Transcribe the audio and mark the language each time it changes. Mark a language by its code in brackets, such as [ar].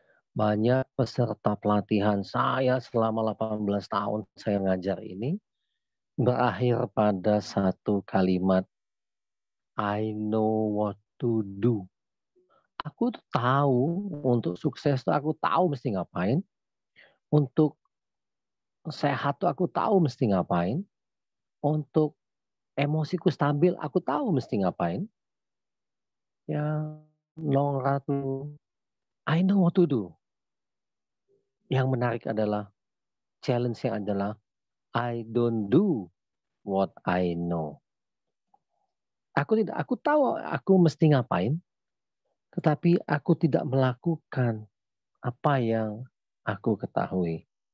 [id] Banyak peserta pelatihan saya selama 18 tahun saya ngajar ini berakhir pada satu kalimat, [en] I know what to do. [id] Aku tuh tahu untuk sukses tuh aku tahu mesti ngapain. Untuk sehat tuh aku tahu mesti ngapain. Untuk emosiku stabil aku tahu mesti ngapain. Ya, nongra tuh, [en] I know what to do. [id] Yang menarik adalah challenge-nya adalah [en] I don't do what I know. [id] Aku tahu aku mesti ngapain, tetapi aku tidak melakukan apa yang aku ketahui.